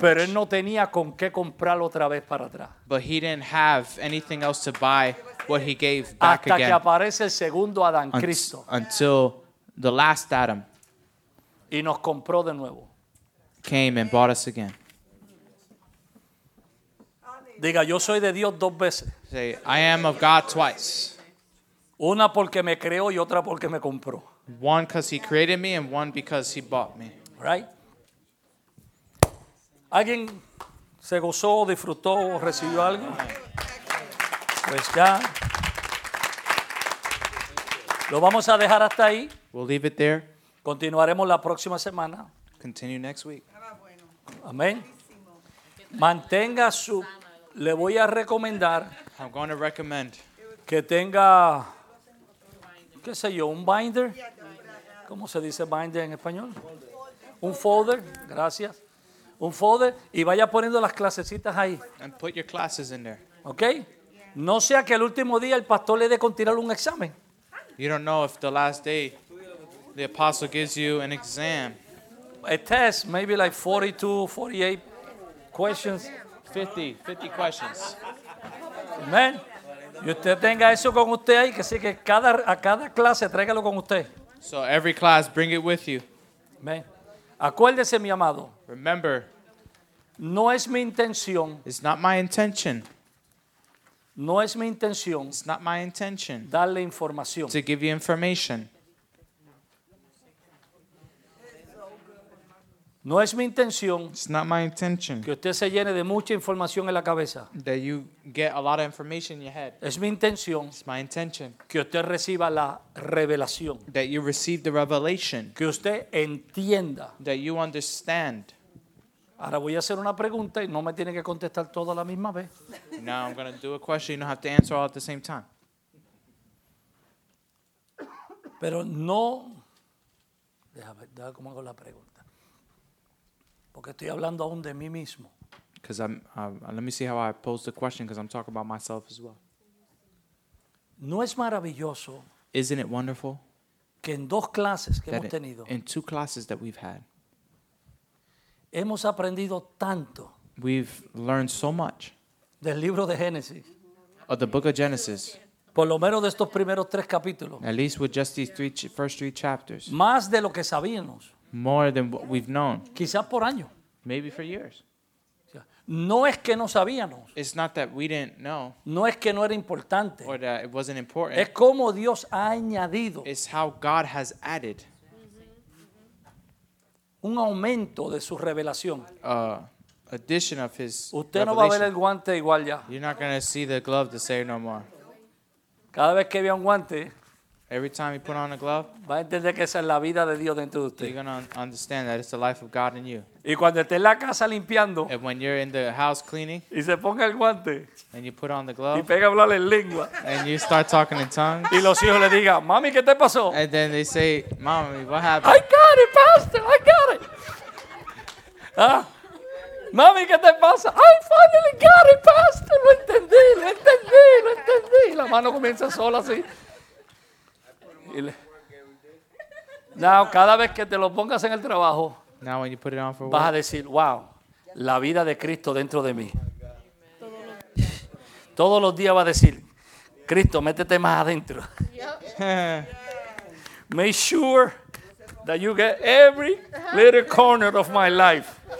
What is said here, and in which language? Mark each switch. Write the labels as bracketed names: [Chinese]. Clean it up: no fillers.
[Spanish] Pero él no tenía con qué comprarlo otra vez para atrás. [English] But he didn't have anything else to buy what he gave back [Spanish] hasta [English] again. [Spanish] Hasta que aparece el segundo Adán, Cristo. [English] Until the last Adam. [Spanish] Y nos compró de nuevo. [English] Came and bought us again. [Spanish] Diga, yo soy de Dios dos veces. [English] Say, I am of God twice. [Spanish] Una porque me creó y otra porque me compró. [English] One because he created me and one because he bought me. Right? [Spanish] ¿Alguien se gozó, disfrutó o recibió algo? Pues ya. Lo vamos a dejar hasta ahí. [English] We'll leave it there. [Spanish] Continuaremos la próxima semana. [English] Continue next week. [Spanish] Amén. Mantenga su... Le voy a recomendar... [English] I'm going to recommend... [Spanish] Que tenga... qué sé yo, un binder ¿Cómo se dice binder en español? Un folder. Gracias. Un folder. Y vaya poniendo las clasecitas ahí. [English] And put your classes in there. [Spanish] ¿Ok? No sea que el último día el pastor le dé con tirar un examen. [English] You don't know if the last day the apostle gives you an exam. A test, maybe like 42, 48 questions. 50 questions. Amen. [Spanish] Y usted tenga eso con usted ahí, que sí, que a cada clase tráigalo con usted. [English] So every class, bring it with you. [Spanish] Amen. Acuérdese, mi amado. [English] Remember. [Spanish] No es mi intención. [English] It's not my intention. [Spanish] No es mi intención. [English] It's not my intention. [Spanish] Darle información. [English] To give you information. [Spanish] No es mi intención. [English] It's not my intention. [Spanish] Que usted se llene de mucha información en la cabeza. [English] That you get a lot of information in your head. [Spanish] Es mi intención. [English] It's my intention. [Spanish] Que usted reciba la revelación. [English] That you receive the revelation. [Spanish] Que usted entienda. [English] That you understand. [Spanish] Ahora voy a hacer una pregunta y no me tiene que contestar todo a la misma vez. [English] Now I'm going to do a question. You don't have to answer all at the same time. [Spanish] Pero no. Déjame ver cómo hago la pregunta. Porque estoy hablando aún de mí mismo. [English] Because let me see how I pose the question, because I'm talking about myself as well. [Spanish] No es maravilloso. [English] Isn't it wonderful? [Spanish] Que en dos clases que hemos tenido. [English] In two classes that we've had. [Spanish] Hemos aprendido tanto. [English] We've learned so much. [Spanish] Del libro de Génesis. [English] Of the book of Genesis. [Spanish] Por lo menos de estos primeros tres capítulos. [English] At least with just these three, first three chapters. [Spanish] Más de lo que sabíamos. [English] More than what we've known. [Spanish] Quizás por años. [English] Maybe for years. [Spanish] No es que no sabíamos. [English] It's not that we didn't know. [Spanish] No es que no era importante. [English] Or that it wasn't important. [Spanish] Es como Dios ha añadido. [English] It's how God has added. [Spanish] Un aumento de su revelación. [English] Addition of his revelation. [Spanish] Usted no va a ver el guante igual ya. [English] You're not going to see the glove the same no more. [Spanish] Cada vez que vea un guante. [English] Every time you put on a glove, [Spanish] va a entender que esa es la vida de Dios dentro de usted. [English] You're going to understand that it's the life of God in you. [Spanish] Y cuando esté en la casa limpiando, [English] and when you're in the house cleaning, [Spanish] y se ponga el guante, [English] and you put on the glove, [Spanish] y pega a hablar en lengua, [English] and you start talking in tongues, [Spanish] y los hijos le diga, mami, ¿qué te pasó? [English] And then they say, mommy, what happened? I got it, pastor, I got it. [Spanish] Mami, ¿qué te pasa? [English] I finally got it, pastor. [Spanish] Lo entendí. La mano comienza sola así. Now, cada vez que te lo pongas en el trabajo, [English] now when you put it on for [Spanish] vas [English] work, [Spanish] a decir, wow, la vida de Cristo dentro de mí. Todos los días va a decir, Cristo, métete más adentro. [English] Make sure that you get every little corner of my life.